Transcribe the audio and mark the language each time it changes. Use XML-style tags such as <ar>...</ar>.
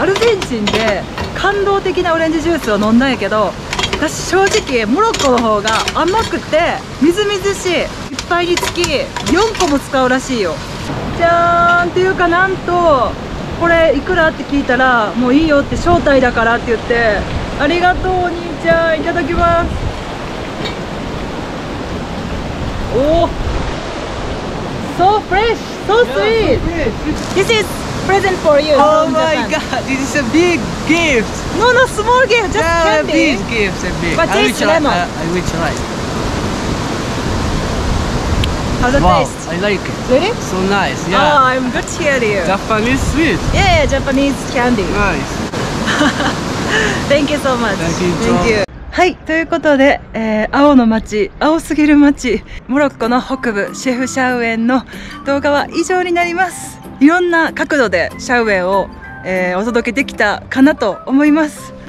<ja>アルゼンチンで感動的なオレンジジュースを飲んだんやけど、私正直モロッコの方が甘くてみずみずしい。いっぱいにつき4個も使うらしいよ。じゃーん。っていうか、なんとこれいくらって聞いたら、もういいよって、招待だからって言って、ありがとうお兄ちゃん、いただきます。</ja> <en>おお、 So fresh, so sweet. This is present for you. Oh my god, this is a big gift. No, no, small gift, just candy. Yeah, a big gift, a big. But taste lemon. I will try. How's the taste? Wow, I like it. Really? So nice, yeah. Oh, I'm good to hear you. Japanese sweet. Yeah, yeah, Japanese candy. Nice. Thank you so much. Thank you.</en> <ja>はい、ということで、青の街、青すぎる街、モロッコの北部、シェフシャウエンの動画は以上になります。いろんな角度でシャウエンを、お届けできたかなと思います。</ja>